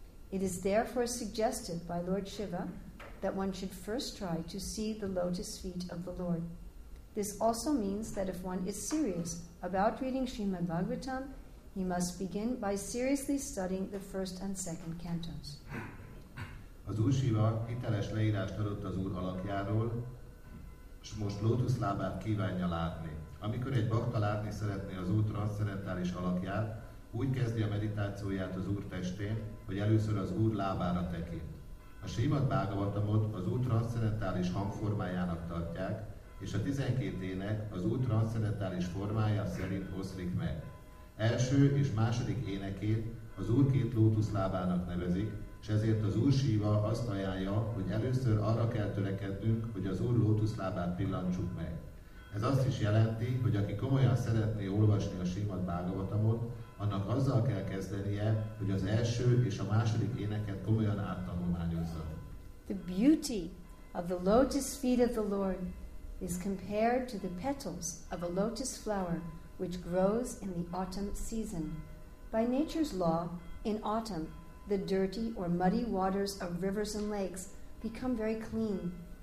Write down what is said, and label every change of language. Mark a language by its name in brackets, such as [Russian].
[English] It is therefore suggested by Lord Shiva that one should first try to see the lotus feet of the Lord. This also means that if one is serious about reading Srimad Bhagavatam, he must begin by seriously studying the first and second cantos. [Hungarian] Az Úr Shiva hiteles leírást adott az Úr alakjáról, s most lótuszlábát kívánja látni. Amikor egy bhakta látni szeretné az Úr transzcendentális alakját, úgy kezdi a meditációját az Úr testén, hogy először az Úr lábára tekint. A Srimad Bhagavatamot az Úr transzcendentális hangformájának tartják, és a 12 ének az Úr transzcendentális formája szerint oszlik meg. Első és második énekét az Úr két lótuszlábának nevezik, és ezért az Úr Shiva azt ajánlja, hogy először arra kell törekednünk, hogy az Úr lótuszlábát pillantsuk meg. Ez azt is jelenti, hogy aki komolyan szeretné olvasni a Srimad Bhagavatamot, annak azzal kell kezdenie, hogy az első és a második éneket komolyan áttanulmányozza. [English] The beauty of the lotus feet of the Lord is compared to the petals of a lotus flower which grows in the autumn season. By nature's law, in autumn, the dirty or muddy waters of rivers and lakes become very clean.